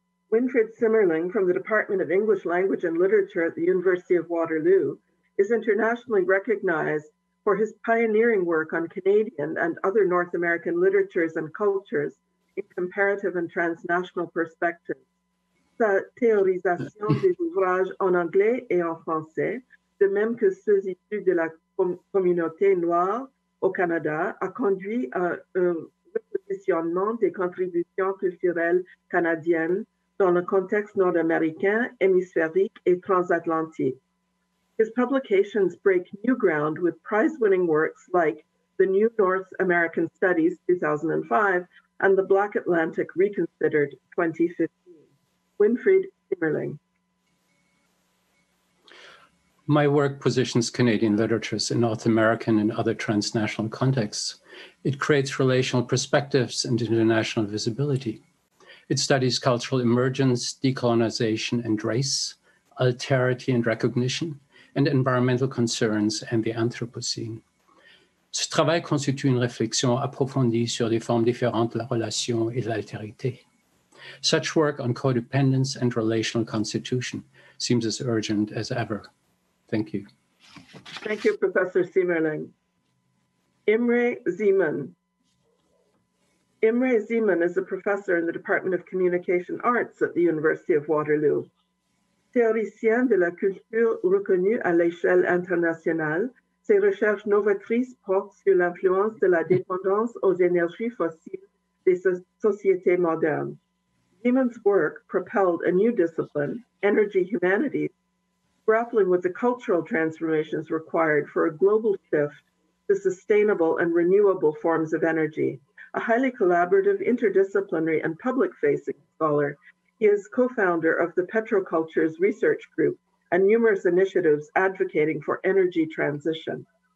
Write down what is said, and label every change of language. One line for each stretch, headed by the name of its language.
English: Winfried Simmerling from the Department of English Language and Literature at the University of Waterloo is internationally recognized for his pioneering work on Canadian and other North American literatures and cultures in comparative and transnational perspectives.
French: Sa théorisation des ouvrages en anglais et en français, de même que ceux issus de la communauté noire au Canada, a conduit à positionnement des contributions culturelles canadiennes dans le contexte nord-américain, hémisphérique et transatlantique.
English: His publications break new ground with prize-winning works like The New North American Studies, 2005, and The Black Atlantic Reconsidered, 2015. Winfried Simmerling. My work positions Canadian literatures in North American and other transnational contexts. It creates relational perspectives and international visibility. It studies cultural emergence, decolonization and race, alterity and recognition, and environmental concerns and the Anthropocene.
French: Ce travail constitue une réflexion approfondie sur des formes différentes de la relation et de l'altérité.
English: Such work on codependence and relational constitution seems as urgent as ever. Thank you. Thank you, Professor Simmerling. Imre Zeman. Imre Zeman is a professor in the Department of Communication Arts at the University of Waterloo.
French: Théoricien de la culture reconnu à l'échelle internationale, ses recherches novatrices portent sur l'influence de la dépendance aux énergies fossiles des sociétés modernes.
English: Zeman's work propelled a new discipline, energy humanities, grappling with the cultural transformations required for a global shift to sustainable and renewable forms of energy. A highly collaborative, interdisciplinary, and public-facing scholar, he is co-founder of the Petrocultures Research Group and numerous initiatives advocating for energy transition.